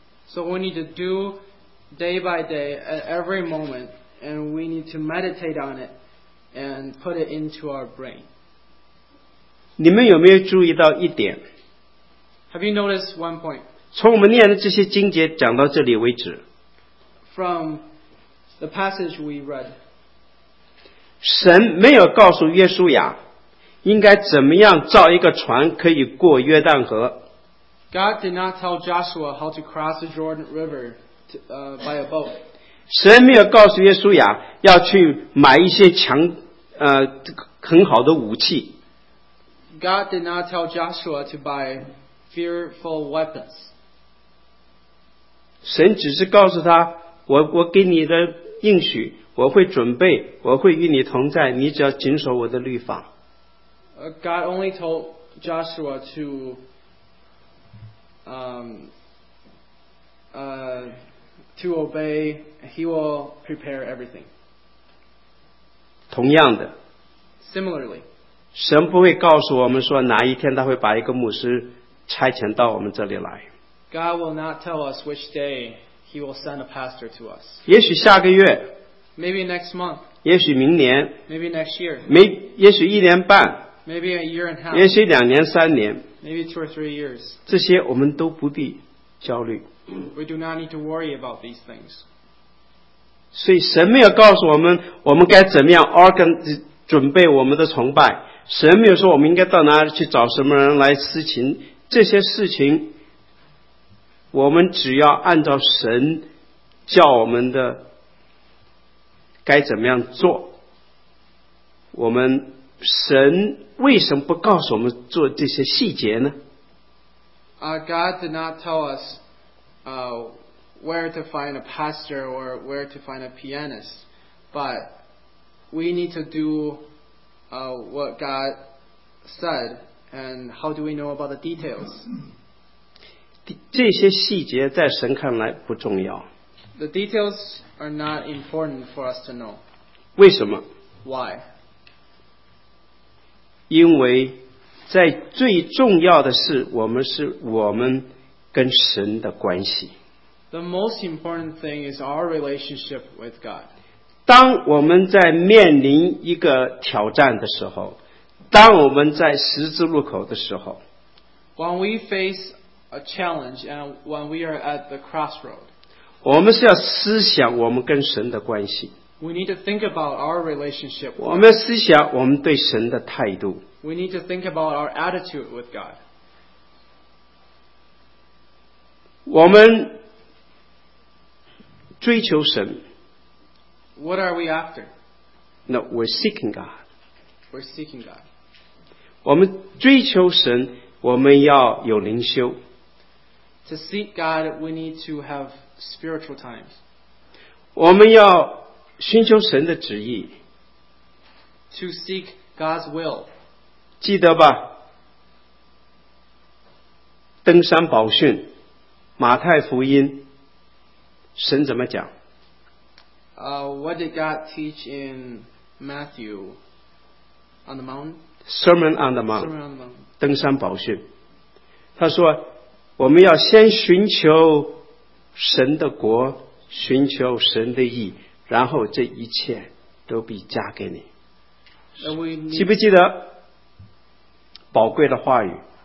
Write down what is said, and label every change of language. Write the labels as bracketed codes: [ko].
[en] So we need to do day by day at every moment, and we need to meditate on it and put it into our brain. [zh] 你们有没有注意到一点？ [en] Have you noticed one point? [zh] 从我们念的这些经节讲到这里为止， [en] From the passage we read, [zh] 神没有告诉约书亚应该怎么样造一个船可以过约旦河。 [en] God did not tell Joshua how to cross the Jordan River by a boat. [zh] 神没有告诉约书亚要去买一些强很好的武器。 [en] God did not tell Joshua to buy fearful weapons. [zh] 神只是告诉他，我给你的应许，我会准备，我会与你同在，你只要谨守我的律法。 [en] God only told Joshua to to obey. He will prepare everything. [zh] 同样的。 [en] Similarly. [zh] 神不会告诉我们说哪一天他会把一个牧师差遣到我们这里来。 [en] God will not tell us which day he will send a pastor to us. [zh] 也许下个月。 [en] Maybe next month. [zh] 也许明年。 [en] Maybe next year. [zh] 也许一年半。 [en] Maybe a year and a half. [zh] 也许两年三年。 [en] Maybe two or three years. [zh] 这些我们都不必焦虑。 [en] We do not need to worry about these things. [zh] 所以神没有告诉我们我们该怎么样 准备我们的崇拜。神没有说我们应该到哪里去找什么人来司琴。这些事情我们只要按照神叫我们的该怎么样做。我们神为什么不告诉我们做这些细节呢？ [en] God did not tell us where to find a pastor or where to find a pianist, but we need to do what God said, and how do we know about the details? [zh] 这些细节在神看来不重要。 [en] The details are not important for us to know. [zh] 为什么？ [en] Why? [zh] 因为在最重要的是我们是我们跟神的关系。 [en] The most important thing is our relationship with God. [zh] 当我们在面临一个挑战的时候，当我们在十字路口的时候， [en] When we face a challenge and when we are at the crossroad, [zh] 我们是要思想我们跟神的关系。 [en] We need to think about our relationship with God. [zh] 我们思想我们对神的态度。 [en] We need to think about our attitude with God. [zh] 我们追求神。 [en] What are we after? No, we're seeking God. We're seeking God. [zh] 我们追求神，我们要有灵修。 [en] To seek God, we need to have spiritual times. [zh] 我们要寻求神的旨意。 [en] To seek God's will. [zh] 记得吧，登山宝训，马太福音，神怎么讲？ [en] What did God teach in Matthew on the mountain? Sermon on the mountain. Sermon on the mountain. [zh] 登山宝训，他说我们要先寻求神的国，寻求神的义，然后这一切都必加给你。记不记得宝贵的话语？